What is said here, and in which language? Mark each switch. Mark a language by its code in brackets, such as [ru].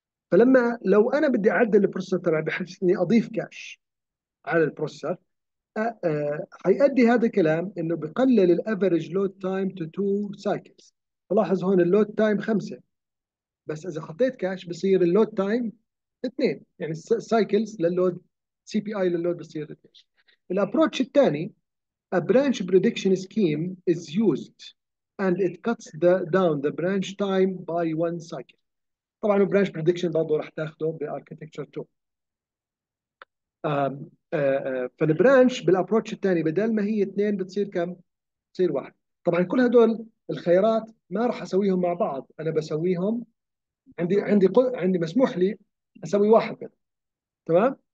[ar] فلما لو انا بدي اعدل البروسيسور تبعي بحيث اني اضيف كاش على البروسيسور، حيؤدي هذا الكلام انه بقلل الافرج لود تايم تو 2 سايكلز. فلاحظ هون اللود تايم 5، بس اذا حطيت كاش بصير اللود تايم 2، يعني سايكلز للود سي بي اي للود بصير 2. الابروتش الثاني [en] A branch prediction scheme is used and it cuts down the branch time by one cycle. [ar] طبعا البرانش بريدكشن برضه راح تاخده باركتكتشر 2. فالبرانش بالابروتش الثاني بدل ما هي اثنين بتصير كم؟ بتصير واحد. طبعا كل هدول الخيارات ما راح اسويهم مع بعض، انا بسويهم عندي مسموح لي اسوي واحد منهم. تمام.